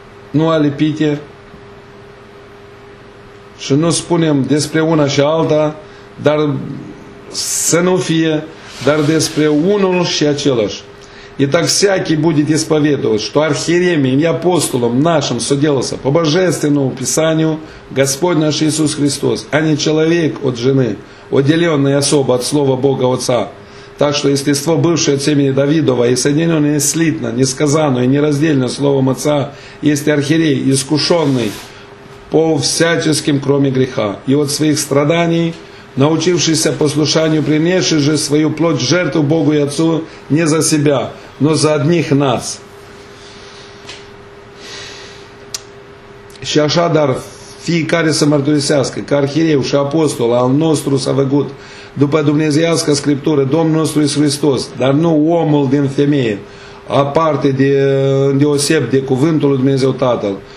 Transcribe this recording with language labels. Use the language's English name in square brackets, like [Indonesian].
[Romanian] Nu alipite și nu spunem despre una și alta, dar să nu fie, dar despre unul și același. [Russian] И так всякий будет исповедовать, что архиереем и апостолом нашим соделался по Божественному Писанию Господь наш Иисус Христос, а не человек от жены, отделенный особо от Слова Бога Отца. Так что естество, бывшее от семени Давидова, и соединенное слитно, несказанно и нераздельно Словом Отца, есть архиерей, искушенный по всяческим, кроме греха. И от своих страданий, научившийся послушанию, принесший же свою плоть жертву Богу и Отцу не за себя, но за одних нас. [Romanian] Și așadar, fiecare să mărturisească, că arhiereu și apostol al nostru s-a făcut după Dumnezeiască Scriptură, Domnul nostru Iisus Hristos, dar nu omul din femeie, aparte de îndeoseb de cuvântul lui Dumnezeu Tatăl.